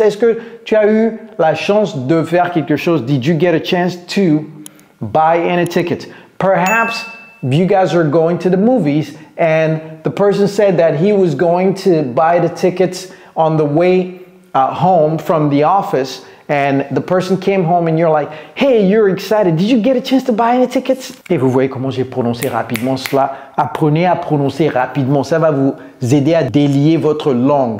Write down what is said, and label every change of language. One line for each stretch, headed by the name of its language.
French: Est-ce que tu as eu la chance de faire quelque chose?
English: Did you get a chance to buy any tickets? Perhaps you guys are going to the movies and the person said that he was going to buy the tickets on the way home from the office. And the person came home and you're like, hey, you're excited. Did you get a chance to buy any tickets?
French: Et vous voyez comment j'ai prononcé rapidement cela. Apprenez à prononcer rapidement. Ça va vous aider à délier votre langue.